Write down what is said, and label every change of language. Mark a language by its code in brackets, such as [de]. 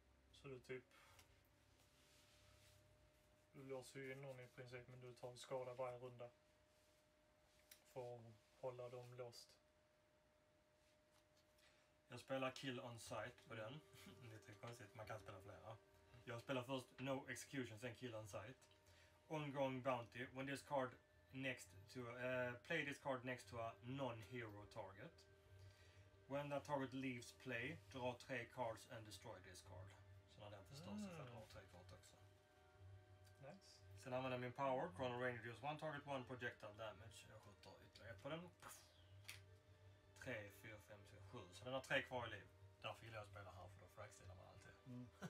[sv] Så du typ, du låser ju in någon i princip, men du tar en skada varje runda för att hålla dem låst. Jag spelar kill on sight på den. Det är konstigt, man kan spela flera. Jag spelar först no execution, sen kill on sight. [en] Ongoing bounty, when this card next to play this card next to a non-hero target. When that target leaves play, draw 3 cards and destroy this card. [sv] Så när den förstår sig får jag dra 3 kort också. Nice. Sen använder jag min power, [en] chrono range reduce 1 target, 1 projectile damage. [sv] Jag skjuter ytterligare ett på den. 3, 4, 5, 6, 7. Så den har 3 kvar i liv. Därför gillar jag att spela här, för då fraxdelar man alltid. Mm.